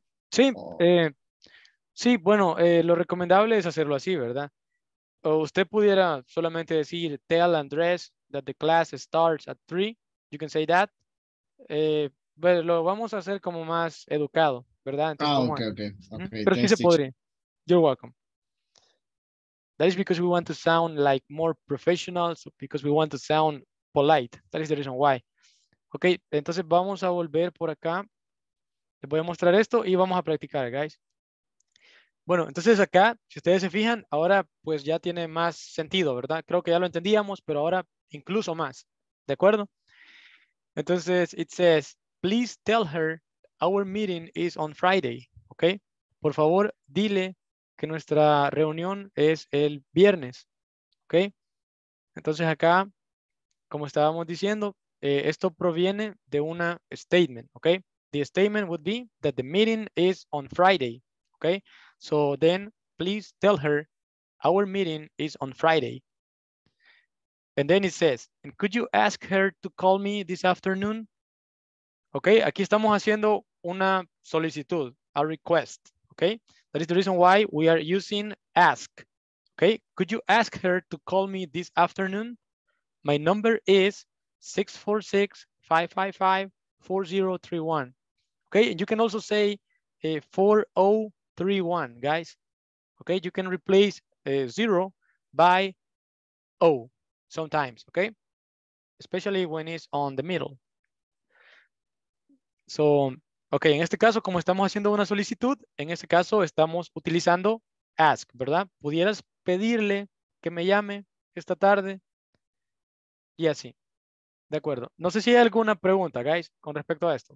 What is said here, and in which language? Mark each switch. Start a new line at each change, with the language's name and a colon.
Spanish: Sí, sí, bueno, lo recomendable es hacerlo así, ¿verdad? O usted pudiera solamente decir,
English: tell Andres that the class starts at 3. You can say that.
Spanish: Pero lo vamos a hacer como más educado, ¿verdad? Entonces, ah, okay. Okay. Pero sí se podría.
English: You're welcome. That is because we want to sound like more professionals, because we want to sound polite. That is the reason why. Okay,
Spanish: entonces vamos a volver por acá. Les voy a mostrar esto y vamos a practicar, guys. Bueno, entonces acá, si ustedes se fijan, ahora pues ya tiene más sentido, ¿verdad? Creo que ya lo entendíamos, pero ahora incluso más, ¿de acuerdo?
English: Entonces, it says, please tell her our meeting is on Friday, ¿ok?
Spanish: Por favor, dile que nuestra reunión es el viernes, ¿ok? Entonces acá, como estábamos diciendo, esto proviene de una statement, ¿ok?
English: The statement would be that the meeting is on Friday, ¿ok? So then, please tell her our meeting is on Friday. And then it says, and could you ask her to call me this afternoon?
Spanish: Okay, aquí estamos haciendo una solicitud, a request, okay?
English: That is the reason why we are using ask, okay? Could you ask her to call me this afternoon? My number is 646 555-4031. Okay, and you can also say 4031, guys. Okay, you can replace zero by O sometimes, okay? Especially when it's on the middle.
Spanish: So, okay, en este caso, como estamos haciendo una solicitud, en este caso estamos utilizando ask, ¿verdad? ¿Pudieras pedirle que me llame esta tarde? Y así, ¿de acuerdo? No sé si hay alguna pregunta, guys, con respecto a esto.